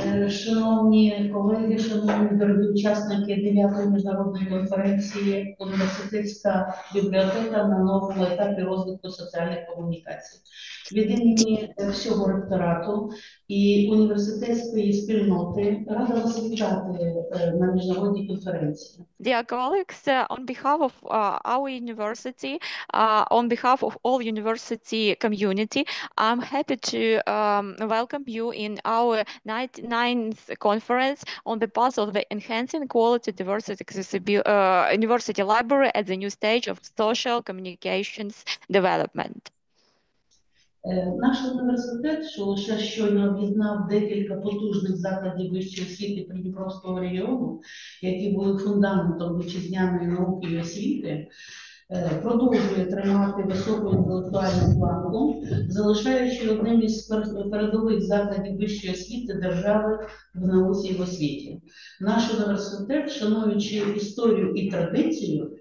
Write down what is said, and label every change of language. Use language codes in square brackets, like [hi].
[uk] Шановні колеги, шановні дорогі учасники 9-ї міжнародної конференції, університетська бібліотека на новому етапі розвитку соціальних комунікацій. Від імені всього ректорату і університетської спільноти рада вас вітати на міжнародній конференції. [en] Dear colleagues, on behalf of our university, on behalf of all university community, I'm happy to welcome you in our 99th conference on the path of the enhancing quality diversity university library at the new stage of social communications development. [uk] Наш університет, що лише щойно об'єднав декілька потужних закладів вищої освіти Придніпровського регіону, які були фундаментом вітчизняної науки і освіти, продовжує тримати високу інтелектуальну планку, залишаючи одним із передових закладів вищої освіти держави в науці і в освіті. Наш університет, шануючи історію і традицію,